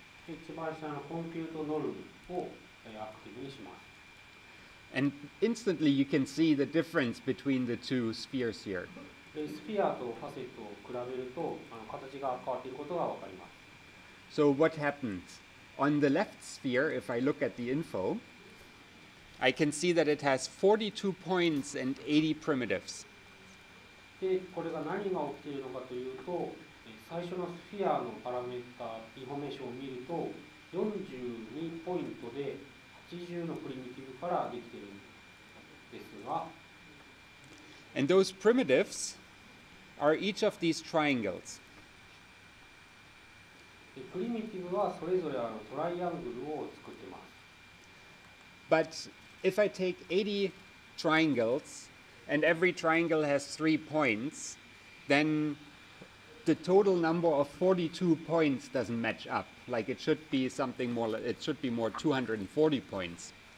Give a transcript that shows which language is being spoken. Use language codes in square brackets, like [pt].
[ja] 一番下のコンピュートノルムを、アクティブにします。 [en] And instantly you can see the difference between the two spheres here. [ja] で、スフィアとファセットを比べると、形が変わっていることがわかります。 [en] So what happens? On the left sphere, if I look at the info, I can see that it has 42 points and 80 primitives. [ja] で、これが何が起きているのかというと、最初のスフィアのパラメータ、インフォメーションを見ると、42ポイントで80のプリミティブからできているんですが。 [en] And those primitives are each of these triangles. [ja] プリミティブはそれぞれトライアングルを作っています。 [en] But if I take 80 triangles and every triangle has 3 points, then the total number of 42 points doesn't match up. Like it should be something more, it should be more 240 points.